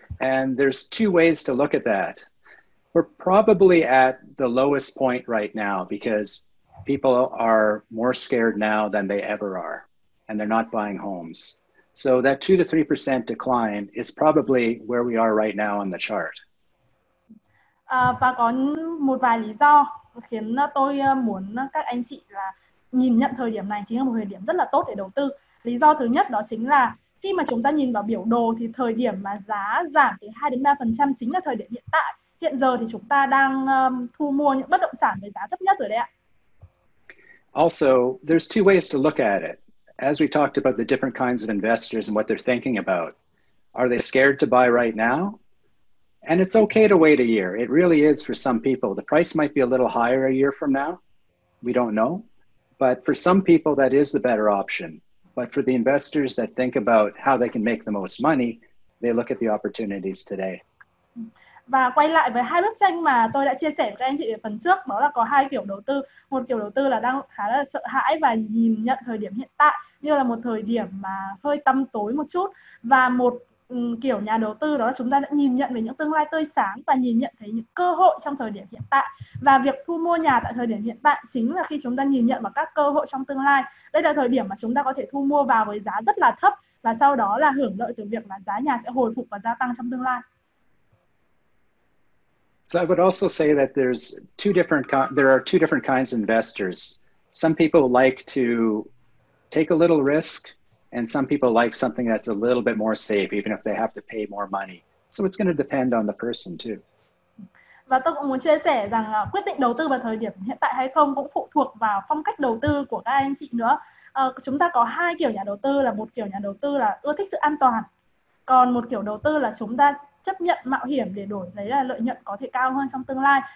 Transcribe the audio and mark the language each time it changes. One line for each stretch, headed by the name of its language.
English: And there's two ways to look at that. We're probably at the lowest point right now because people are more scared now than they ever are, and they're not buying homes. So that 2-3% decline is probably where we are right now on the chart.
Vietnamese: Và có một vài lý do khiến tôi muốn các anh chị là nhìn nhận thời điểm này chính là một thời điểm rất là tốt để đầu tư. Lý do thứ nhất đó chính là khi mà chúng ta nhìn vào biểu đồ thì thời điểm mà giá giảm từ 2-3% chính là thời điểm hiện tại. Hiện giờ thì chúng ta đang thu mua những bất động sản với giá thấp nhất rồi đấy ạ.
English: Also, there's two ways to look at it. As we talked about the different kinds of investors and what they're thinking about, are they scared to buy right now? And it's okay to wait a year. It really is for some people. The price might be a little higher a year from now. We don't know. But for some people, that is the better option. But for the investors that think about how they can make the most money, they look at the opportunities today.
Vietnamese: Và quay lại với hai bức tranh mà tôi đã chia sẻ với các anh chị ở phần trước, đó là có hai kiểu đầu tư. Một kiểu đầu tư là đang khá là sợ hãi và nhìn nhận thời điểm hiện tại như là một thời điểm mà hơi tăm tối một chút. Và một kiểu nhà đầu tư đó là chúng ta đã nhìn nhận về những tương lai tươi sáng và nhìn nhận thấy những cơ hội trong thời điểm hiện tại. Và việc thu mua nhà tại thời điểm hiện tại chính là khi chúng ta nhìn nhận vào các cơ hội trong tương lai. Đây là thời điểm mà chúng ta có thể thu mua vào với giá rất là thấp và sau đó là hưởng lợi từ việc là giá nhà sẽ hồi phục và gia tăng trong tương lai.
English: So I would also say that there are two different kinds of investors. Some people like to take a little risk, and some people like something that's a little bit more safe, even if they have to pay more money. So it's going to depend on the person too.
Vietnamese: Và tôi cũng muốn chia sẻ rằng quyết định đầu tư vào thời điểm hiện tại hay không cũng phụ thuộc vào phong cách đầu tư của các anh chị nữa. Chúng ta có hai kiểu nhà đầu tư, là một kiểu nhà đầu tư là ưa thích sự an toàn, còn một kiểu đầu tư là chúng ta chấp nhận mạo hiểm để đổi lấy là lợi nhuận có thể cao hơn trong tương lai.